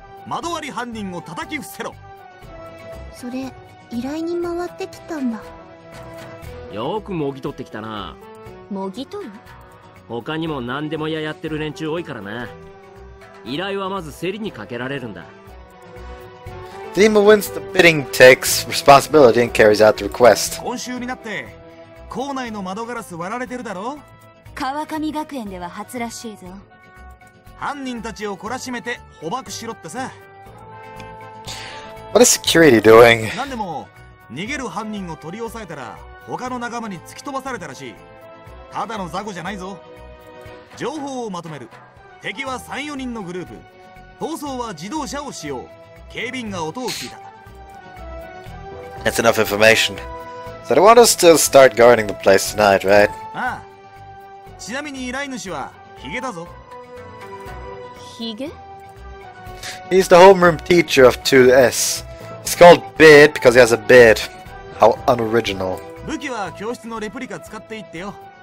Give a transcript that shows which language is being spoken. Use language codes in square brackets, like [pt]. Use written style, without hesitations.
[ja] 窓割り犯人を叩き伏せろ。それ依頼に回ってきたんだ。よくもぎ取ってきたな。もぎ取る。他にも何でも やってる連中多いからな。依頼はまず競りにかけられるんだ。 [en] The team wins the bidding, takes responsibility, and carries out the request. [ja] 今週になって、校内の窓ガラス割られてるだろ。川上学園では初らしいぞ。犯人たちを懲らしめて捕獲しろってさ。 [en] What is security doing? [ja] 何でも逃げる犯人を取り押さえたら他の仲間に突き飛ばされたらしい。ただの雑魚じゃないぞ。情報をまとめる。敵は 3,4 人のグループ。逃走は自動車を使用。警備員が音を聞いた。 [en] That's enough information. So they want us to start guarding the place tonight, right? [ja] ああ。ちなみに依頼主はヒゲだぞ。ヒゲ？ [en] He's the homeroom teacher of 2S. It's called Beard because he has a beard. How unoriginal. [ja] 武器は教室のレプリカ使っていってよ。